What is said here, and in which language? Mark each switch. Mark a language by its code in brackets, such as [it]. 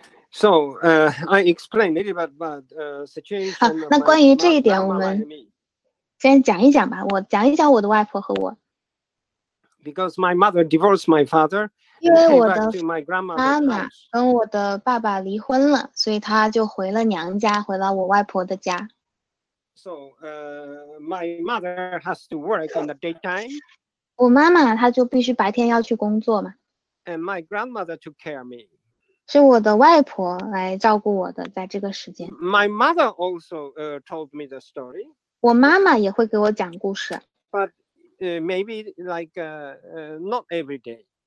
[en] So, I explained a little bit about the situation. [zh] 好，那关于这一点，我们先讲一讲吧。我讲一讲我的外婆和我。 [en] Because my mother divorced my father, came back to my grandmother's house. [zh] 因为我的妈妈跟我的爸爸离婚了，所以她就回了娘家，回了我外婆的家。 [en] So, my mother has to work in the daytime. [zh] 我妈妈她就必须白天要去工作嘛。 [en] And my grandmother took care of me. [zh] 是我的外婆来照顾我的，在这个时间。 [en] My mother also told me the story. [zh] 我妈妈也会给我讲故事。 [en] But maybe like not every day.